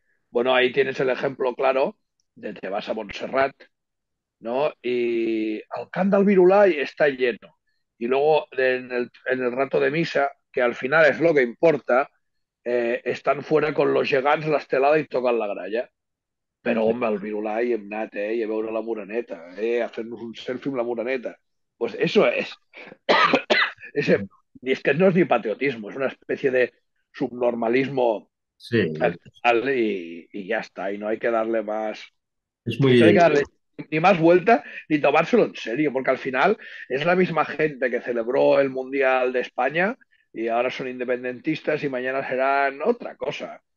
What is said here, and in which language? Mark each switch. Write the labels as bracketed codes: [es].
[es] Bueno, ahí tienes el ejemplo claro de te vas a Montserrat, ¿no? Y el cant del Virolai está lleno. Y luego en el rato de misa, que al final es lo que importa, están fuera con los gegants, la estelada y tocan la gralla. [ca] Però, home, el Virolai hi hem anat, i a veure la Moreneta, a fer-nos un selfie amb la Moreneta. [es] Pues eso es. Ese, ni es que no es ni patriotismo, es una especie de subnormalismo Sí. actual y ya está, y no hay que darle más, Es no hay que muy... darle ni más vuelta ni tomárselo en serio, porque al final es la misma gente que celebró el Mundial de España y ahora son independentistas y mañana serán otra cosa.